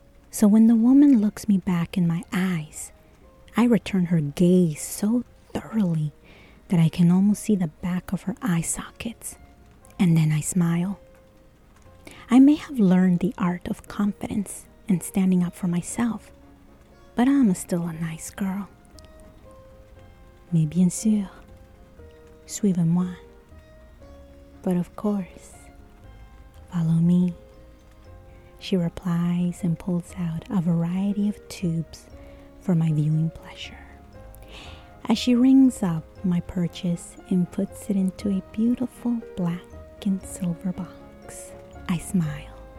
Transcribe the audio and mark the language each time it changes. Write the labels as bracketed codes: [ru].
[en] So when the woman looks me back in my eyes, I return her gaze so thoroughly that I can almost see the back of her eye sockets, and then I smile. I may have learned the art of confidence and standing up for myself, but I'm still a nice girl. [fr] Mais bien sûr, suivez-moi. [en] But of course, follow me. She replies and pulls out a variety of tubes for my viewing pleasure. As she rings up my purchase and puts it into a beautiful black and silver box, I smile.